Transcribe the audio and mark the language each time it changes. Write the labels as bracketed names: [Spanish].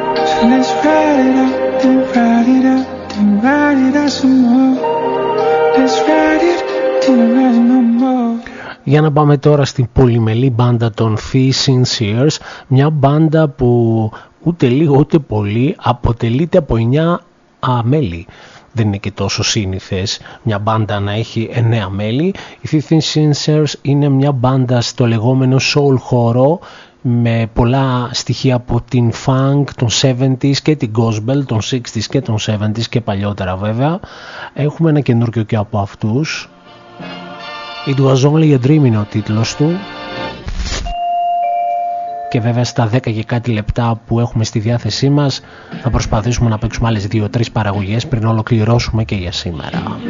[English] So let's ride it up, then ride it up some more. Let's ride it to win the moon. [Greek] Για να πάμε τώρα στην πολυμελή μπάντα των Three Sincere, μια μπάντα που ούτε λίγο ούτε πολύ αποτελείται από 9 μέλη. Δεν είναι και τόσο σύνηθες μια μπάντα να έχει 9 μέλη. Οι Three Sincere είναι μια μπάντα στο λεγόμενο soul χώρο, με πολλά στοιχεία από την funk, των 70s και την gospel, των 60s και των 70s και παλιότερα βέβαια. Έχουμε ένα καινούργιο και από αυτούς. It Was Only a Dream είναι ο τίτλος του. Και βέβαια στα 10 και κάτι λεπτά που έχουμε στη διάθεσή μας θα προσπαθήσουμε να παίξουμε άλλες 2-3 παραγωγές πριν ολοκληρώσουμε και για σήμερα.